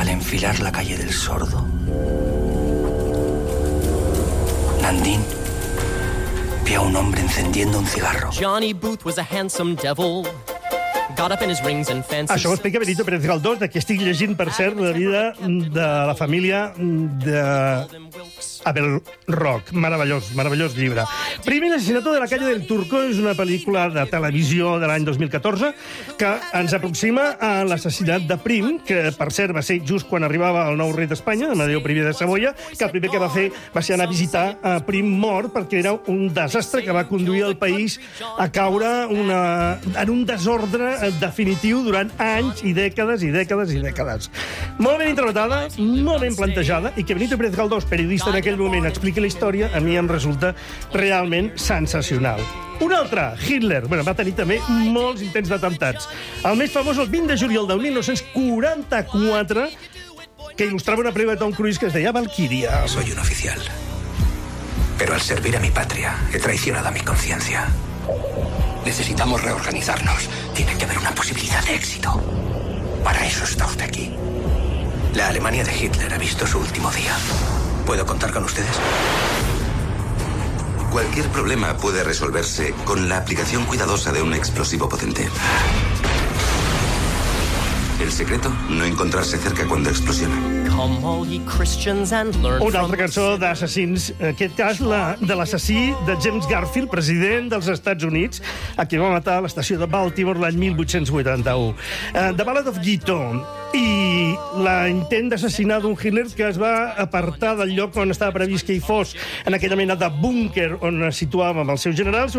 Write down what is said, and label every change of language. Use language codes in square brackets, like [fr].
[es] Al enfilar la calle del Sordo, Nandín a un hombre encendiendo un cigarro. [en] Johnny Booth was a handsome devil. [ca] Això ho explica Benito Pérez Galdós, de qui estic llegint, per cert, la vida de la família d'Abel Rock. Meravellós, meravellós llibre. Primer, l'assassinato de la calle del Turco és una pel·lícula de televisió de l'any 2014 que ens aproxima a l'assassinat de Prim, que, per cert, va ser just quan arribava el nou rei d'Espanya, Amadeu I de Savoia, que el primer que va fer va ser anar a visitar a Prim mort perquè era un desastre que va conduir el país a caure en un desordre definitiu durant anys i dècades i dècades i dècades. Molt ben interpretada, molt ben plantejada i que Benito Pérez Galdós, periodista en aquell moment, expliqui la història, a mi em resulta realment sensacional. Un altre, Hitler, bueno, va tenir també molts intents d'atemptats. El més famós, el 20 de juliol de 1944, que il·lustrava una pel·lícula de Tom Cruise que es deia Valquíria. [es] Soy un oficial, pero al servir a mi patria he traicionado a mi conciencia. Necesitamos reorganizarnos. Tiene que haber una posibilidad de éxito. Para eso está usted aquí. La Alemania de Hitler ha visto su último día. ¿Puedo contar con ustedes? Cualquier problema puede resolverse con la aplicación cuidadosa de un explosivo potente. El secreto, no encontrarse cerca cuando explosiona. [ca] Una altra cançó d'assassins, en aquest cas la de l'assassí de James Garfield, president dels Estats Units, a qui va matar a l'estació de Baltimore l'any 1881. The Ballad of Guido i l'intent d'assassinar d'un Hitler que es va apartar del lloc on estava previst que hi fos, en aquella mena de búnquer on es situava amb els seus generals.